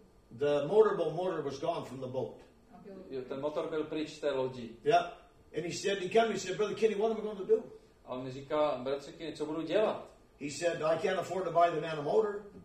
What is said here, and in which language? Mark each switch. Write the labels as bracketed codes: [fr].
[en] The motor was gone from the boat. [cs] Jo, ten motor byl pryč z té lodi. [en] Yeah. And he said, Brother Kenny, what am I going to do? [cs] A on mi říká, bratře Kenny, co budu dělat? [en] He said, I can't afford to buy the man a motor.